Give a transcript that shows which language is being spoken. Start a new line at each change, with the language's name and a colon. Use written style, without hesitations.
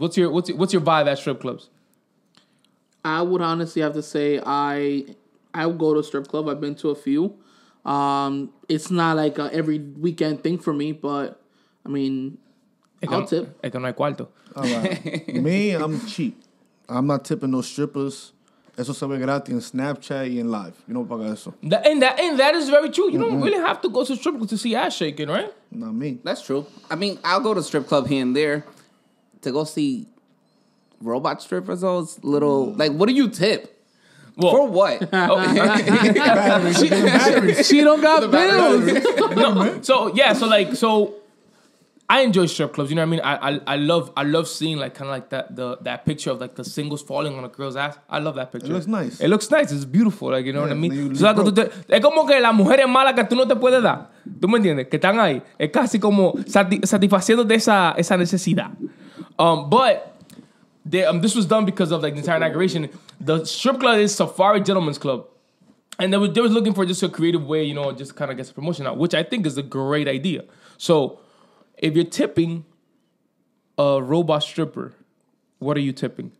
English: What's your vibe at strip clubs? I would honestly have to say I would go to a strip club. I've been to a few. It's not like a every weekend thing for me, but I mean, I'll tip.
Spanish: Es que no hay cuarto.
English: Me, I'm cheap. I'm not tipping no strippers.
Spanish: Eso se ve gratis en Snapchat y en live.
English: You don't
Spanish: pagar eso.
English: And that is very true. You don't really have to go to strip club to see ass shaking, right? Not me. That's true. I mean, I'll go to strip club here and there to go see robot strippers, those little, like, what do you tip? Well, for what? she don't got the bills. So I enjoy strip clubs. You know what I mean? I love seeing like kind of like that picture of like the singles falling on a girl's ass. I love that picture. It looks nice. It looks nice. It's beautiful. Like, you know what I mean?
Spanish: Es como que las mujeres malas que tú no te puedes dar. ¿Tú me entiendes? Que están ahí. Es casi como satisfaciendo de esa necesidad.
English: But this was done because of like the entire inauguration. The strip club is Safari Gentlemen's Club. And they were looking for just a creative way, you know, just kind of get some promotion out, which I think is a great idea. So if you're tipping a robot stripper, what are you tipping?